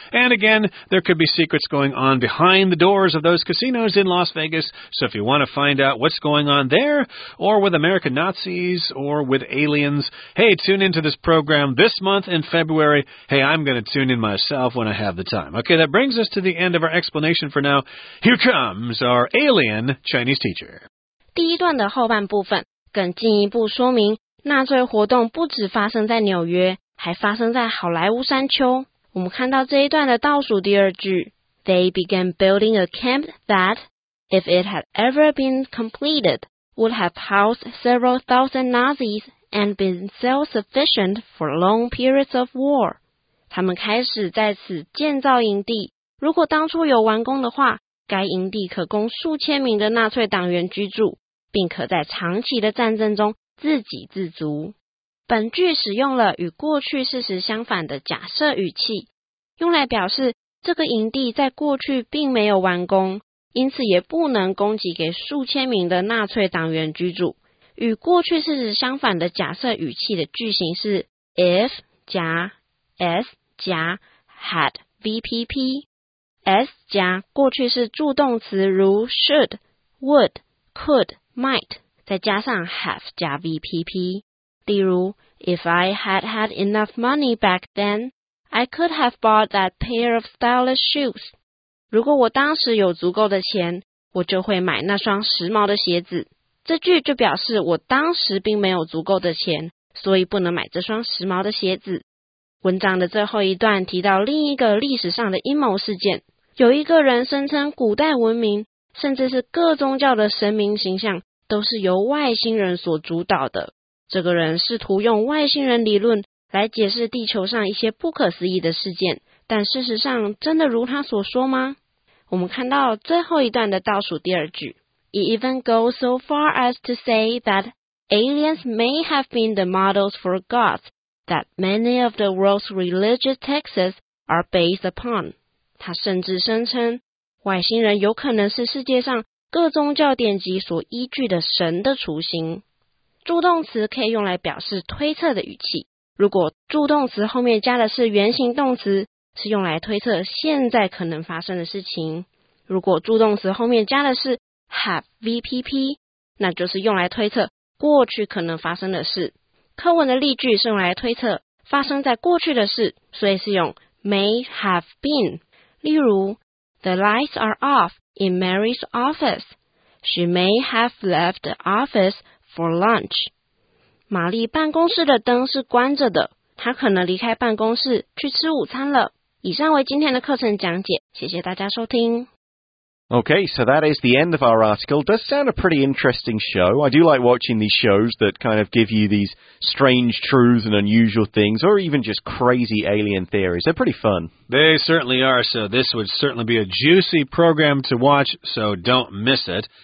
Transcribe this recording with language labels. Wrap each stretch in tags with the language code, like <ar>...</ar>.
<en>And again, there could be secrets going on behind the doors of those casinos in Las Vegas. So if you want to find out what's going on there, or with American Nazis, or with aliens, hey, tune into this program this month in February. Hey, I'm going to tune in myself when I have the time. Okay, that brings us to the end of our explanation for now. Here comes our alien Chinese teacher.</en> <zh>第一段的后半部分更进一步说明纳粹活动不只发生在纽约，还发生在好莱坞山丘。我们看到这一段的倒数第二句，</zh> <en>They began building a camp that, if it had ever been completed, would have housed several thousand Nazis and been self-sufficient for long periods of war.</en> <zh>他们开始在此建造营地，如果当初有完工的话，该营地可供数千名的纳粹党员居住，并可在长期的战争中自给自足。本句使用了与过去事实相反的假设语气，用来表示这个营地在过去并没有完工，因此也不能供给给数千名的纳粹党员居住。与过去事实相反的假设语气的句型是 if 加 s 加 had VPP。 S 加过去式助动词如</zh> <en>should, would, could, might,</en> <zh>再加上 have 加 VPP。例如</zh> <en>,If I had had enough money back then, I could have bought that pair of stylish shoes.</en> <zh>如果我当时有足够的钱，我就会买那双时髦的鞋子。这句就表示我当时并没有足够的钱，所以不能买这双时髦的鞋子。文章的最后一段提到另一个历史上的阴谋事件。有一个人声称古代文明甚至是各宗教的神明形象都是由外星人所主导的。这个人试图用外星人理论来解释地球上一些不可思议的事件，但事实上真的如他所说吗？我们看到最后一段的倒数第二句，</zh> <en>He even goes so far as to say that aliens may have been the models for gods that many of the world's religious texts are based upon。</en> <zh>他甚至声称外星人有可能是世界上各宗教典籍所依据的神的雏形。助动词可以用来表示推测的语气，如果助动词后面加的是原形动词，是用来推测现在可能发生的事情。如果助动词后面加的是 have VPP， 那就是用来推测过去可能发生的事。课文的例句是用来推测发生在过去的事，所以是用</zh> <en>may have been。</en> <zh>例如</zh> <en>The lights are off in Mary's office. She may have left the office for lunch.</en> <zh>玛丽办公室的灯是关着的，她可能离开办公室去吃午餐了。以上为今天的课程讲解，谢谢大家收听。</zh> <en>Okay, so that is the end of our article. Does sound a pretty interesting show. I do like watching these shows that kind of give you these strange truths and unusual things, or even just crazy alien theories. They're pretty fun. They certainly are, so this would certainly be a juicy program to watch, so don't miss it.</en>